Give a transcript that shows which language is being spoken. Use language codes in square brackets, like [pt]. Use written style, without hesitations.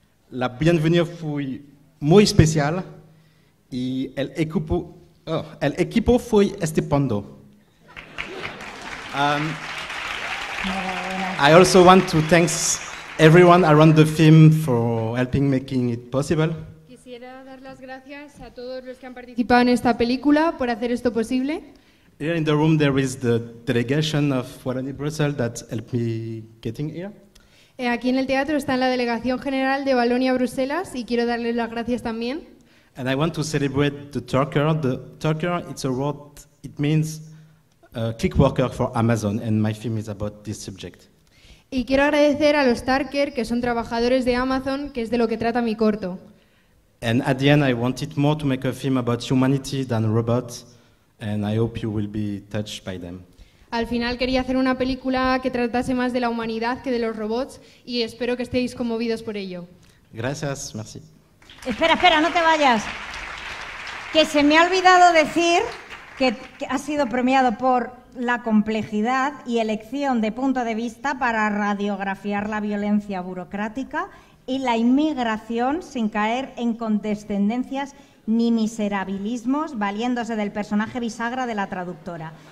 [es] La bienvenida fue muy especial. Y el equipo fue estupendo. [en] I also want to thank everyone around the film for helping making it possible. [es] Gracias a todos los que han participado en esta película por hacer esto posible. [en] Here in the room there is the delegation of Wallonie Brussels that helped me getting here. [es] Aquí en el teatro está la delegación general de Wallonia Bruselas y quiero darles las gracias también. [en] And I want to celebrate the Turker. The Turker it's a word. It means click worker for Amazon, and my film is about this subject. [es] Y quiero agradecer a los Turker, que son trabajadores de Amazon, que es de lo que trata mi corto. [en] And at the end, I wanted more to make a film about humanity than robots, and I hope you will be touched by them. [es] Al final quería hacer una película que tratase más de la humanidad que de los robots, y espero que estéis conmovidos por ello. Gracias, [fr] merci. [es] Espera, espera, no te vayas. Que se me ha olvidado decir que ha sido premiado por la complejidad y elección de punto de vista para radiografiar la violencia burocrática y la inmigración sin caer en condescendencias ni miserabilismos, valiéndose del personaje bisagra de la traductora.